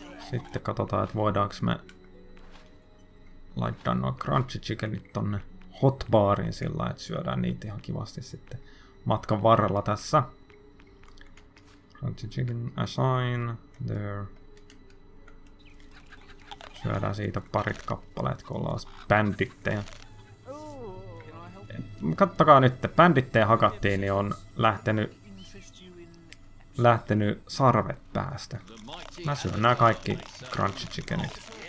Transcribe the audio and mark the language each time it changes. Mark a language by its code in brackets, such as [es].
[fi] Sitten katsotaan, että voidaanko me laittaa nuo crunchy chickenit tonne hotbaariin sillä, että syödään niitä ihan kivasti sitten matkan varrella tässä. [en] Crunchy chicken assign there. [fi] Syödään siitä parit kappaleet, kun ollaan taas bandittejä. Kattokaa nyt, että bandittejä hakattiin, niin on lähtenyt sarvet päästä. Mä syön nää kaikki crunchy chickenit.